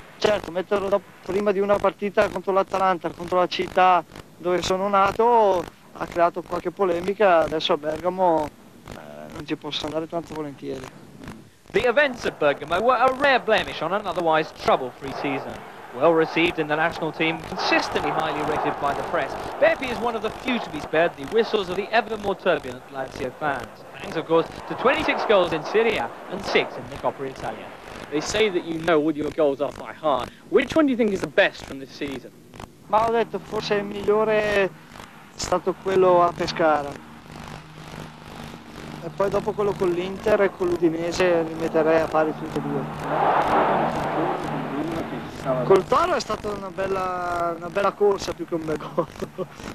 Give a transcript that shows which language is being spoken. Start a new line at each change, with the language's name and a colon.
Italian: Certo, metterlo prima di una partita contro l'Atalanta, contro la città dove sono nato, ha creato qualche polemica, adesso a Bergamo non ci posso andare tanto volentieri.
English: The events at Bergamo were a rare blemish on an otherwise trouble-free season. Well received in the national team, consistently highly rated by the press, Beppe is one of the few to be spared the whistles of the ever more turbulent Lazio fans. Thanks, of course, to 26 goals in Serie A and 6 in the Coppa Italia. They say that you know what your goals are by heart. Which one do you think is the best from this season?
Italian: Ma ho detto forse il migliore è stato quello a Pescara. E poi dopo quello con l'Inter e con l'Udinese li metterei a pari tutti e due. Col Toro è stata una bella corsa più che un bel gol.